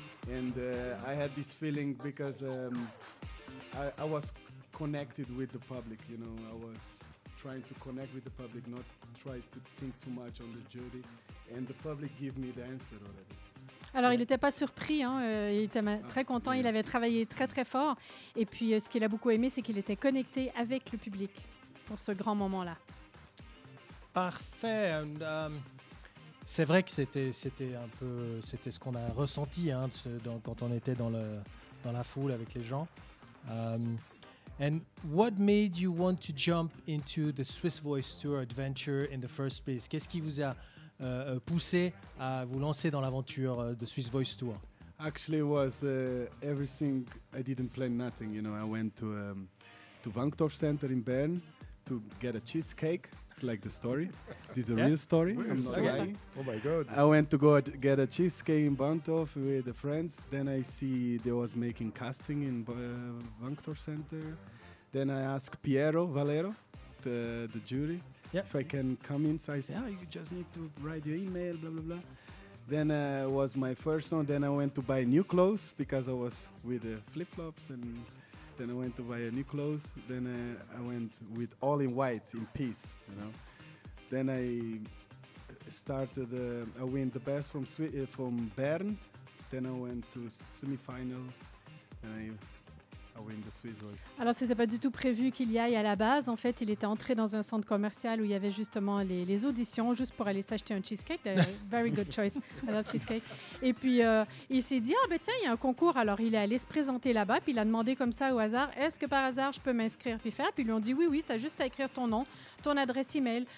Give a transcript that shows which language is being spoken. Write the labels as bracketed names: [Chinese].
[English] And I had this feeling because I was connected with the public, you know. I was trying to connect with the public, not try to think too much on the jury. And the public gave me the answer already. [French] Alors, il n'était pas surpris, hein. Il était très content. Yeah. Il avait travaillé très, très fort. Et puis, ce qu'il a beaucoup aimé, c'est qu'il était connecté avec le public pour ce grand moment-là. Parfait. And, c'est vrai que c'était ce qu'on a ressenti hein, quand on était dans la foule avec les gens. [English] And what made you want to jump into the Swiss Voice Tour adventure in the first place? [French] Qu'est-ce qui vous a poussé à vous lancer dans l'aventure de Swiss Voice Tour? [English] Actually, it was everything. I didn't plan nothing. You know, I went to Wankdorf Center in Bern to get a cheesecake. Like the story, this is a real story. I'm not lying. Oh my god! I went to go get a cheesecake in Bantov with the friends. Then I see they was making casting in Vanctor Center. Then I ask Piero Valero, the jury, if I can come inside. So I say, oh, you just need to write your email, blah blah blah. Then was my first song. Then I went to buy new clothes because I was with the flip flops and. Then I went to buy a new clothes. Then I went with all in white, in peace, you know. Then I started, I win the best from Bern. Then I went to semi-final and I win the Swiss Voice. [French] Alors, ce n'était pas du tout prévu qu'il y aille à la base. En fait, il était entré dans un centre commercial où il y avait justement les auditions, juste pour aller s'acheter un cheesecake. [English] Very good choice. I love cheesecake. [French] Et puis, il s'est dit, ah, ben tiens, il y a un concours. Alors, il est allé se présenter là-bas. Puis, il a demandé comme ça au hasard, est-ce que par hasard, je peux m'inscrire puis faire? Puis, ils lui ont dit, oui, tu as juste à écrire ton nom, ton adresse email.